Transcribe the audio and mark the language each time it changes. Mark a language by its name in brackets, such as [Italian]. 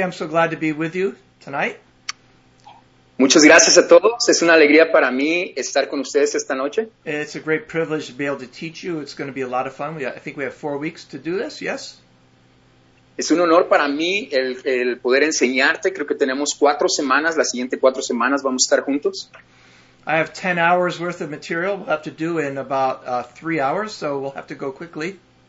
[English] I'm so glad to be with you tonight. [Spanish] Muchas gracias a todos. Es una alegría para mí estar con ustedes esta noche. [English] It's a great privilege to be able to teach you. It's going to be a lot of fun. I think we have 4 weeks to do this, yes? [Spanish] Es un honor para mí el poder enseñarte. Creo que tenemos 4 semanas. Las siguientes 4 semanas vamos a estar juntos. [English] I have 10 hours worth of material we'll have to do in about 3 hours, so we'll have to go quickly.